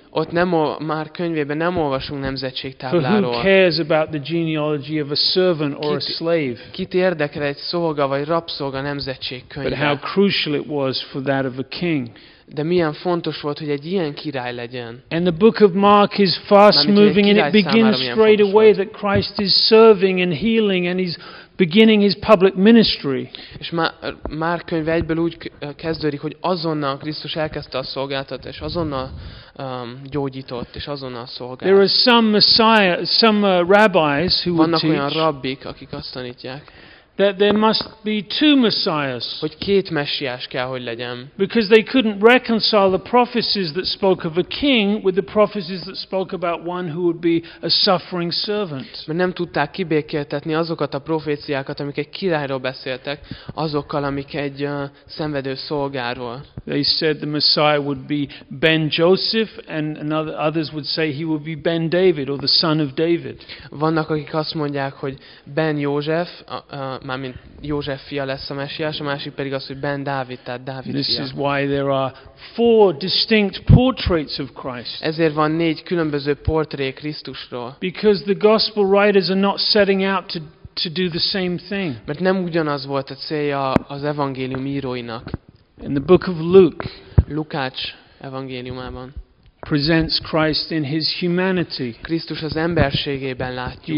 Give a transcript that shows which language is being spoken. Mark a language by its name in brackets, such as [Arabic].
[Hungarian] Ott nem Márk könyvében nem olvasunk nemzetségtábláról. [English] For who cares about the genealogy of a servant or a slave? [Hungarian] Kit érdekel egy szolga vagy rabszolga nemzetség könyve? [English] But how crucial it was for that of a king. [Hungarian] De milyen fontos volt, hogy egy ilyen király legyen. [English] And the book of Mark is fast moving and it begins straight away that Christ is serving and healing and he's beginning his public ministry. [Hungarian] És Márk könyve egyből úgy kezdődik, hogy azonnal Krisztus elkezdte a szolgálatot, és azonnal gyógyított, és azonnal szolgált. [English] There are some messiah, some rabbis who [Hungarian] vannak [English] teach, [Hungarian] olyan rabbik, akik azt tanítják, [English] that there must be two messiahs. [Hungarian] Hogy két messiás kell, hogy legyen. [English] Because they couldn't reconcile the prophecies that spoke of a king with the prophecies that spoke about one who would be a suffering servant. [Hungarian] Mert nem tudták kibékéltetni azokat a proféciákat, amik egy királyról beszéltek, azokkal, amik egy szenvedő szolgáról. [English] They said the messiah would be Ben Joseph and others would say he would be Ben David or the son of David. [Hungarian] Vannak, akik azt mondják, hogy Ben József, mármint József fia lesz a messiás, a másik pedig az, hogy Ben Dávid, tehát Dávid fia. [English] This is why there are four distinct portraits of Christ. [Hungarian] Ezért van négy különböző portré Krisztusról. [English] Because the gospel writers are not setting out to do the same thing. [Hungarian] Mert nem ugyanaz volt a célja az evangélium íróinak. [English] In the book of Luke, [Hungarian] Lukács evangéliumában [English] presents Christ in his humanity. [Hungarian] Krisztus az emberségében látjuk.